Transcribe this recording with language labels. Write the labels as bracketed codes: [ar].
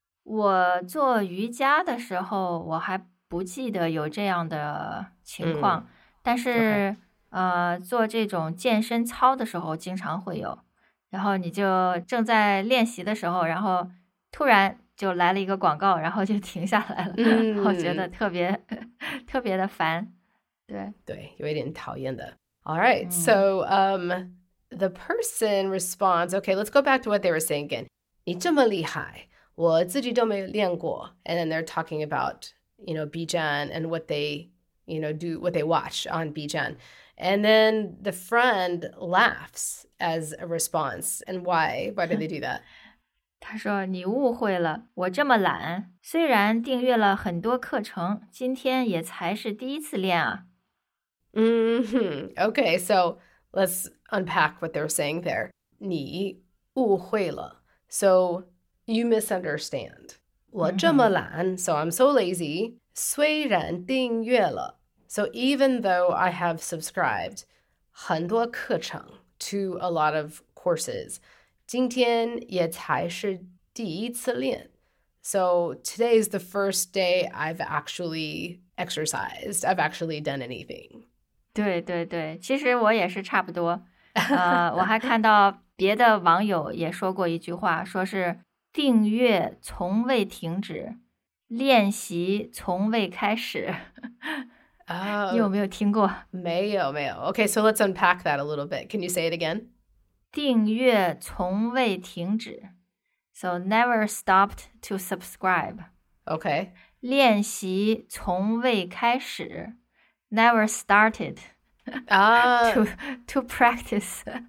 [zh] 我做瑜伽的时候我还不记得有这样的情况，但是、做这种健身操的时候经常会有，然后你就正在练习的时候，然后突然就来了一个广告，然后就停下来了，然后觉得特别的烦。对对，有一点讨厌的。 [en] Alright, so the person responds, okay, let's go back to what they were saying again. [zh] 你这么厉害，我自己都没练过。 [en] And then they're talking about, you know, Bijan and what they, you know, do, what they watch on Bijan. And then the friend laughs as a response. And why? Why did they do that? [zh] 他说，你误会了，我这么懒，虽然订阅了很多课程，今天也才是第一次练啊。 [en] Okay, so let's unpack what they're saying there. [zh] 你误会了。 [en] So,You misunderstand. [zh] 我这么懒、 [en] so I'm so lazy. [zh] 虽然订阅了。 [en] So even though I have subscribed [zh] 很多课程 [en] to a lot of courses, [zh] 今天也才是第一次练。 [en] So today is the first day I've actually exercised. I've actually done anything. [zh] 对对对，其实我也是差不多。我还看到别的网友也说过一句话，说是订阅从未停止，练习从未开始。你有没有听过？没有，没有。 [en] Okay, so let's unpack that a little bit. Can you say it again? [zh] 订阅从未停止。 [en] So never stopped to subscribe. Okay. [zh] 练习从未开始。 [en] Never started to practice.